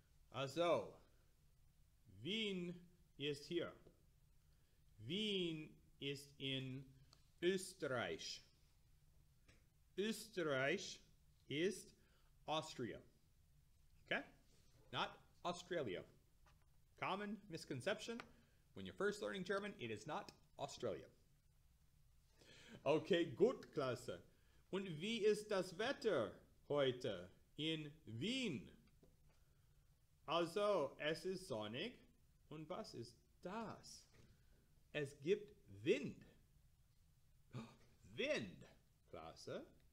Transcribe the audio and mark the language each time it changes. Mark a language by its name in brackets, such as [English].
[German] Also, Wien ist hier. Wien ist in Österreich. Österreich ist Austria. [English] Okay? Not Australia. Common misconception when you're first learning German, it is not Australia. [German] Okay, gut, Klasse. Und wie ist das Wetter heute in Wien? Also, es ist sonnig. Und was ist das? Es gibt Wind. Wind, Klasse.